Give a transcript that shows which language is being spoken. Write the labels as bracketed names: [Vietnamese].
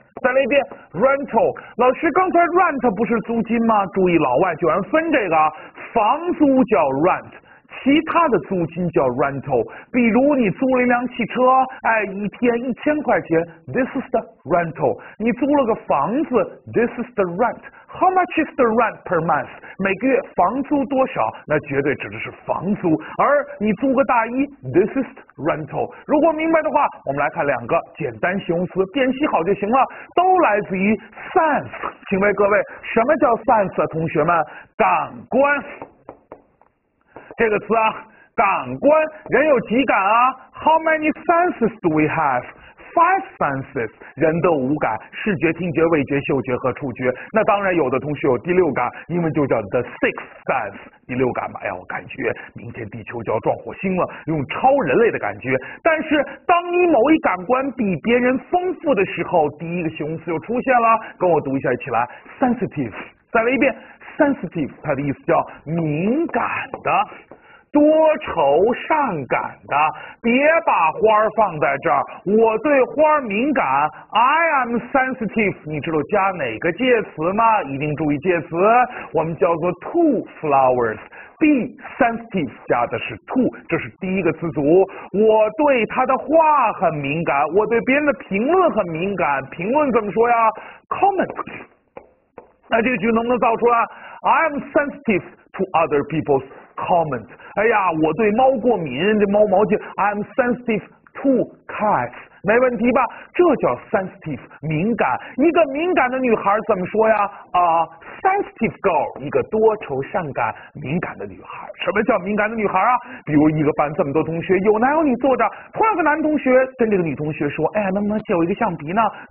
[Chinese] 再来一遍 rental。老师，刚才 rent 不是租金吗？注意，老外喜欢分这个，房租叫 rent。其他的租金叫 rental， 比如你租了一辆汽车，哎，一天1000块钱 ， [English] this is the rental。 [Chinese] 你租了个房子 ， [English] this is the rent。 How much is the rent per month？ [Chinese] 每个月房租多少？那绝对指的是房租。而你租个大衣 ， [English] this is the rental。 [Chinese] 如果明白的话，我们来看两个简单形容词，辨析好就行了，都来自于 sense。请问各位，什么叫 sense 啊？同学们，感官。这个词啊，感官，人有几感啊 ？ [English] How many senses do we have? Five senses， [Chinese] 人的五感：视觉、听觉、味觉、嗅觉和触觉。那当然，有的同学有第六感，英文就叫 [English] the sixth sense， [Chinese] 第六感嘛。哎呀，我感觉明天地球就要撞火星了，用超人类的感觉。但是，当你某一感官比别人丰富的时候，第一个形容词就出现了，跟我读一下起来 ，sensitive。再来一遍。 Sensitive， 它的意思叫敏感的、多愁善感的。别把花放在这儿，我对花敏感。 [English] I am sensitive， [Chinese] 你知道加哪个介词吗？一定注意介词，我们叫做 [English] to flowers。 Be sensitive [Chinese] 加的是 to， 这是第一个词组。我对他的话很敏感，我对别人的评论很敏感。评论怎么说呀 ？Comment。那这句能不能造出来 ？ [English] I'm sensitive to other people's comments。 [Chinese] 哎呀，我对猫过敏，这猫毛茎。 [English] I'm sensitive to cats。 [Chinese] 没问题吧？这叫 sensitive， 敏感。一个敏感的女孩怎么说呀？啊 ， [English] sensitive girl， [Chinese] 一个多愁善感、敏感的女孩。什么叫敏感的女孩啊？比如一个班这么多同学，有男有女坐着，突然个男同学跟这个女同学说：“哎呀，能不能借我一个橡皮呢？”